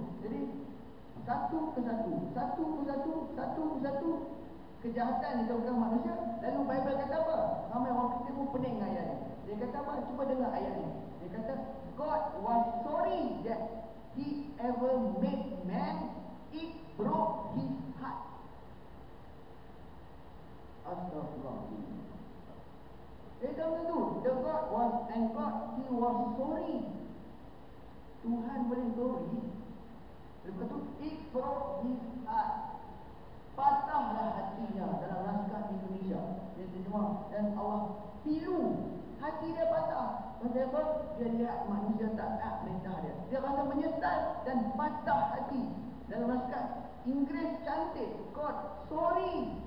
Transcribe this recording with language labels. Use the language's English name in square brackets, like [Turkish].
[Malay] Jadi satu ke satu, satu ke satu, satu ke satu kejahatan di dalam manusia. Lalu Bible kata apa? Ramai orang kita pun pening dengan ayat ni. Dia kata apa? Cuba dengar ayat ni. Dia kata [English] God was sorry that he ever made man. It broke his heart. Astagfirullahaladzim. [Malay] Dia kata tu, [English] the God was, and God, he was sorry. [Malay] Tuhan boleh sorry. Lepas tu, [English] it broke his heart. [Malay] Patahlah hatinya dalam naskah Indonesia. Dia terjemah. Dan Allah pilu. Hati dia patah. Maksudnya apa? Dia lihat manusia tak taat perintah dia. Dia rasa menyesal dan patah hati. Dalam naskah Inggeris cantik. God, sorry.